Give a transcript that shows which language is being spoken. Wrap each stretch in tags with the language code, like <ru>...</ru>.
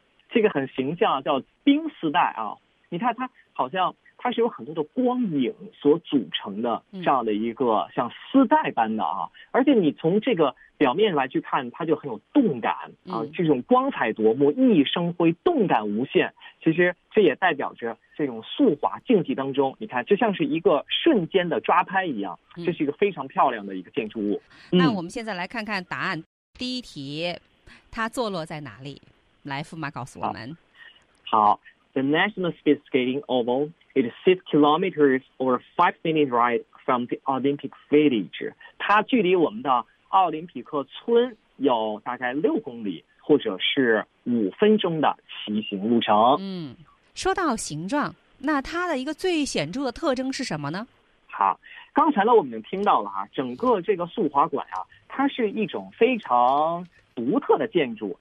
<zh>这个很形象，叫冰丝带啊！你看它好像它是有很多的光影所组成的这样的一个像丝带般的啊，而且你从这个表面来去看，它就很有动感啊，这种光彩夺目、熠熠生辉、动感无限。其实这也代表着这种速滑竞技当中，你看就像是一个瞬间的抓拍一样，这是一个非常漂亮的一个建筑物。那我们现在来看看答案，第一题，它坐落在哪里？来，驸马告诉我们。</zh> <en>好 ，The National Speed Skating Oval is 6 kilometers or 5-minute ride from the Olympic Village.</en> <zh>它距离我们的奥林匹克村有大概6公里。或者是5分钟的骑行路程。说到形状，那它的一个最显著的特征是什么呢？好，刚才呢我们听到了啊，整个这个速滑馆啊，它是一种非常独特的建筑。</zh>